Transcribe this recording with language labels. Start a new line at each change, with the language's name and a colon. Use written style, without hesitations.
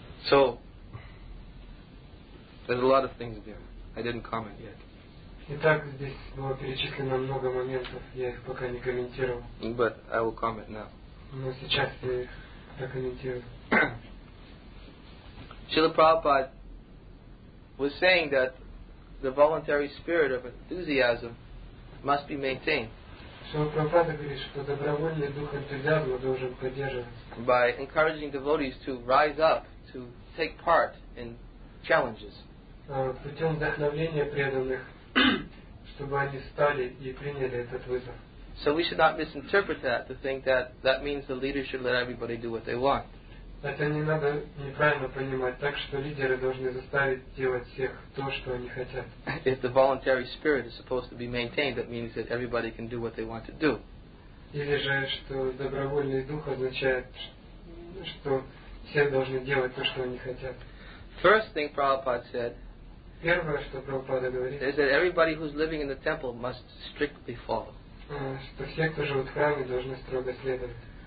English: So, there's a lot of things there. I didn't comment yet.
Russian: Итак, здесь было перечислено много моментов, я их пока не комментировал.
English: But I will comment now.
Russian: Но сейчас я их прокомментирую.
English: Srila Prabhupada was saying that the voluntary spirit of enthusiasm must be maintained.
Russian: Srila Prabhupada говорит, что добровольный дух энтузиазма должен поддерживаться.
English: By encouraging devotees to rise up, to take part in challenges.
Russian: Путем вдохновления преданных, чтобы они встали и приняли этот вызов.
English: So we should not misinterpret that to think that that means the leader should let everybody do what they want.
Russian: Это не надо неправильно понимать так, что лидеры должны заставить делать всех то, что они хотят.
English: If the voluntary spirit is supposed to be maintained, that means that everybody can do what they want to do.
Russian: Или же, что добровольный дух означает, что все должны делать то, что они хотят.
English: First thing Prabhupada said,
Russian: первое, что Прабхупада говорит,
English: is that everybody who's living in the temple must strictly follow.
Russian: Что все, кто живут в храме, должны строго следовать.